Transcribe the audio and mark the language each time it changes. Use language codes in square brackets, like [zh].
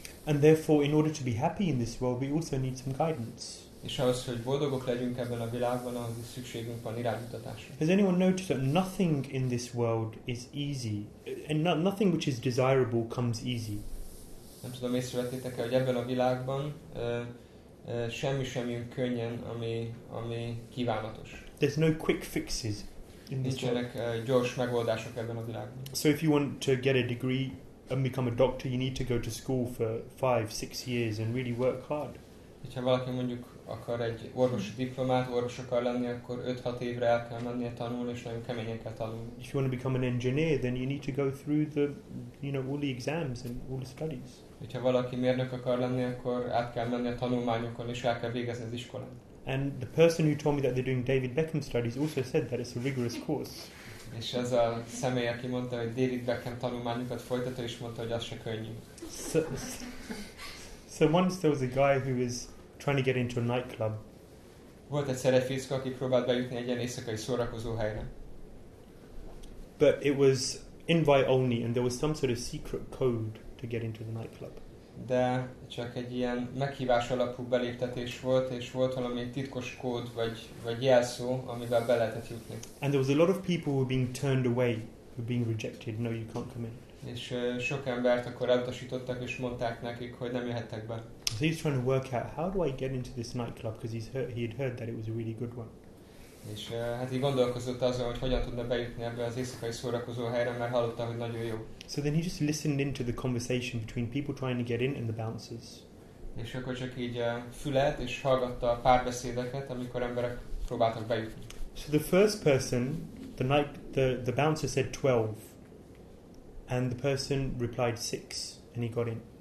[en] And therefore, in order to be happy in this world, we also need some guidance. [hu] És ahhoz, hogy boldogok legyünk ebben a világban, ahhoz is szükségünk van iránymutatásra. [en] Has anyone noticed that nothing in this world is easy? And nothing which is desirable comes easy. [hu] Nem tudom, észrevettétek-e, hogy ebben a világban semmi sem jön könnyen, ami kívánatos. [en] There's no quick fixes. [hu] Nincsenek gyors megoldások ebben a világban. [en] So if you want to get a degree and become a doctor, you need to go to school for 5-6 years and really work hard. [hu] Hogyha valaki mondjuk akar egy orvosi diplomát, orvos akar lenni, akkor 5-6 évre el kell mennie tanulni, és nagyon keményen kell tanulni. [en] If you want to become an engineer, then you need to go through the, you know, all the exams and all the studies. [hu] Hogyha valaki mérnök akar lenni, akkor át kell menni a tanulmányokon, és el kell végezni az iskolát. [en] And the person who told me that they're doing David Beckham studies also said that it's a rigorous course. [hu] És az a személy, aki mondta, hogy David Beckham tanulmányokat folytatta, és mondta, hogy az se könnyű. [en] So once there was a guy who was trying to get into a nightclub. [hu] Volt egyszer egy fickó, aki próbált bejutni egy ilyen éjszakai szórakozó helyre. [en] But it was invite only, and there was some sort of secret code to get into the nightclub. [hu] De csak egy ilyen meghívás alapú beléptetés volt, és volt valami titkos kód vagy jelszó, amivel be lehetett jutni. [en] And there was a lot of people who were being turned away, who were being rejected. No, you can't come in. [hu] És sok embert akkor elutasítottak, és mondták nekik, hogy nem jöhettek be. [en] So he's trying to work out how do I get into this nightclub, because he had heard that it was a really good one. [hu] És hát így gondolkozott azon, hogy hogyan tudna bejutni ebbe az éjszakai szórakozó helyre, mert hallotta, hogy nagyon jó. [en] So then he just listened into the conversation between people trying to get in and the bouncers. [hu] És akkor csak így fülelt és hallgatta a párbeszédeket, amikor emberek próbáltak bejutni. [en] So the first person, the bouncer said 12, and the person replied 6, and he got in.